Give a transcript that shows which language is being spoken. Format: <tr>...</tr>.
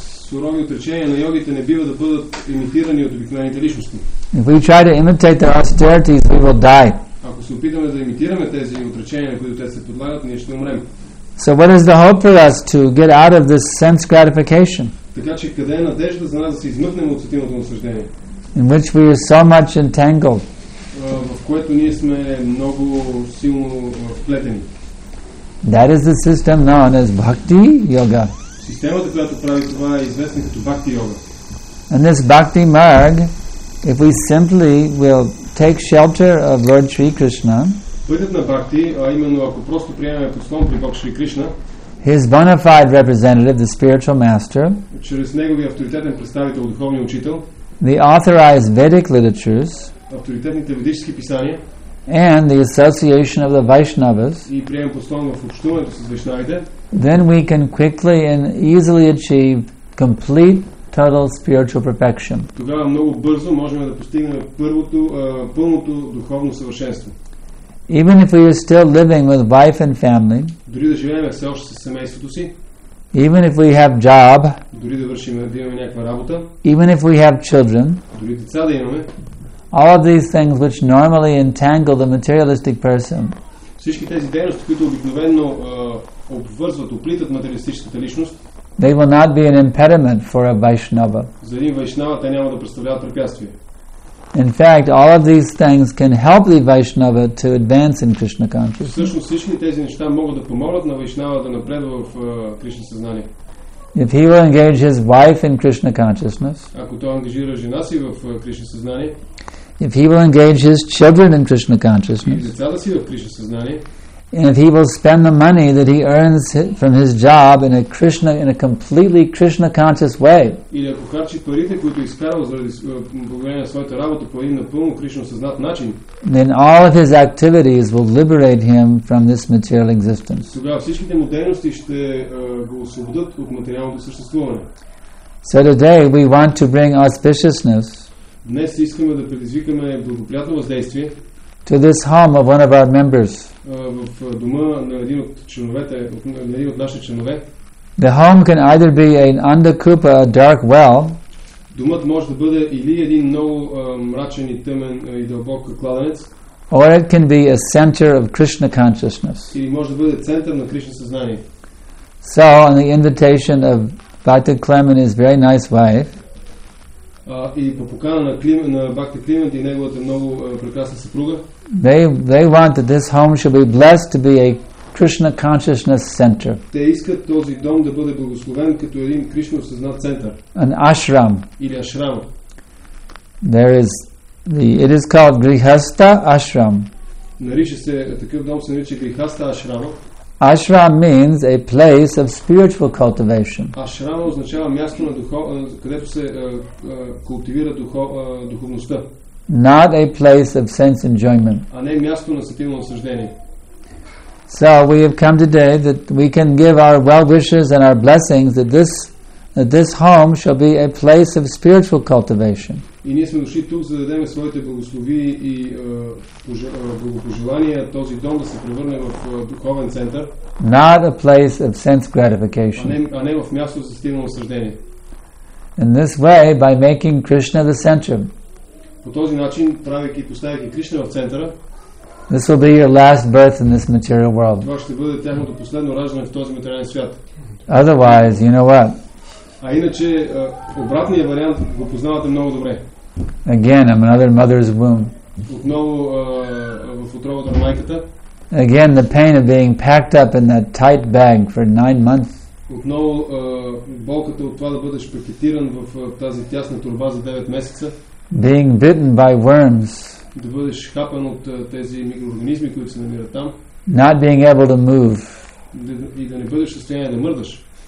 <bg>Сурови отречения на йогите не бива да бъдат имитирани от обикновените личности.</bg> <en>If we try to imitate their austerities, we will die.</en> <bg>Ако се опитаме да имитираме тези отречения, на които те се подлагат, ние ще умрем.</bg> <en>So what is the hope for us to get out of this sense gratification?</en> <bg>Така че къде е надежда за нас да се измъкнем от сетивното наслаждение?</bg> <en>In which we are so much entangled.</en> <bg>В което ние сме много силно вплетени.</bg> <en>That is the system known as bhakti yoga.</en> <bg>Системата, която прави това, е известна като Бхакти йога.</bg> <en>And this Bhakti Marg, if we simply will take shelter of Lord Shri Krishna,</en> <bg>пътят на Бхакти, а именно ако просто приемаме подслон при Бог Шри Кришна,</bg> <en>his bona fide representative, the spiritual master,</en> <bg>чрез неговия авторитетен представител, духовния учител,</bg> <en>the authorized Vedic literatures,</en> <bg>авторитетните ведически писания,</bg> <en>and the association of the Vaishnavas,</en> <bg>и приемаме подслон в общуването с Вайшнавите,</bg> <en>then we can quickly and easily achieve complete, total spiritual perfection.</en> <bg>Тогава много бързо можем да постигнем пълното духовно съвършенство.</bg> <en>Even if we are still living with wife and family,</en> <bg>дори да живеем все още със семейството си,</bg> <en>even if we have job,</en> <bg>дори да вършим някаква работа,</bg> <en>even if we have children,</en> <bg>дори деца да имаме,</bg> <en>all of these things which normally entangle the materialistic person,</en> <bg>всички тези дейности, които обикновено обвързват, оплитат материалистическата личност,</bg> <en>they will not be an impediment for a Vaishnava.</en> <bg>За един Вайшнава те няма да представляват препятствие.</bg> <en>In fact, all of these things can help the Vaishnava to advance in Krishna consciousness.</en> <bg>Всъщност всички тези неща могат да помогнат на Вайшнава да напредва в Кришна съзнание.</bg> <en>If he will engage his wife in Krishna consciousness,</en> <bg>ако той ангажира жена си в Кришна съзнание,</bg> <en>if he will engage his children in Krishna consciousness,</en> <bg>и децата си в Кришна съзнание,</bg> <en>and if he will spend the money that he earns from his job in a Krishna, in a completely Krishna conscious way,</en> <bg>или ако харчи парите, които изкарва заради благодарение на своята работа по един напълно Кришна съзнат начин,</bg> <en>then all of his activities will liberate him from this material existence.</en> <bg>Тогава всичките му дейности ще го освободят от материалното съществуване.</bg> <en>So today we want to bring auspiciousness,</en> <bg>днес искаме да предизвикаме благоприятно въздействие,</bg> <en>to this home of one of our members,</en> <bg>в дома на един от членовете, на един от нашите членове.</bg> <en>The home can either be an undercupa, a dark well,</en> <bg>домът може да бъде или един много мрачен и тъмен и дълбок кладенец,</bg> <en>or it can be a center of Krishna consciousness,</en> <bg>или може да бъде център на Кришна съзнание.</bg> <en>So on the invitation of Bhakti Clement and his very nice wife,</en> <bg>И по покана на Бхакти Климент и неговата много прекрасна съпруга,</bg> <en>they want that this home should be blessed to be a Krishna consciousness center.</en> <bg>Те искат този дом да бъде благословен като един Кришна осъзнат център.</bg> <en>An ashram.</en> <bg>Или ашрам.</bg> <en>There is the, it is called Grihastha Ashram.</en> <bg>Нарича се, такъв дом се нарича Grihastha Ashram.</bg> <en>Ashram means a place of spiritual cultivation.</en> <bg>Ашрама означава място на където се култивира духовността.</bg> <en>Not a place of sense enjoyment.</en> <bg>А не място на сетивно наслаждение.</bg> <en>So we have come today that we can give our well wishes and our blessings that this that this home shall be a place of spiritual cultivation.</en> <bg>И ние сме дошли тук, за да дадем своите благословия и благопожелания този дом да се превърне в духовен център.</bg> <en>Not a place of sense gratification.</en> <bg>А не в място за стимулно осъждение.</bg> <en>In this way, by making Krishna the center.</en> <bg>По този начин, правейки и поставяйки Кришна в центъра,</bg> <en>this will be your last birth in this material world.</en> <bg>Това ще бъде тяхното последно раждане в този материален свят.</bg> <en>Otherwise, you know what?</en> <bg>А иначе обратният вариант го познавате много добре.</bg> <en>Again, I'm another mother's womb.</en> <bg>Отново в утробата на майката.</bg> <en>Again, the pain of being packed up in that tight bag for 9 months.</en> <bg>Отново болката от това да бъдеш пакетиран в тази тясна турба за 9 месеца.</bg> <en>Being bitten by worms.</en> <bg>Да бъдеш хапан от тези микроорганизми, които се намират там.</bg> <en>Not being able to move.</en> <bg>И да не бъдеш в състояние да мърдаш.</bg>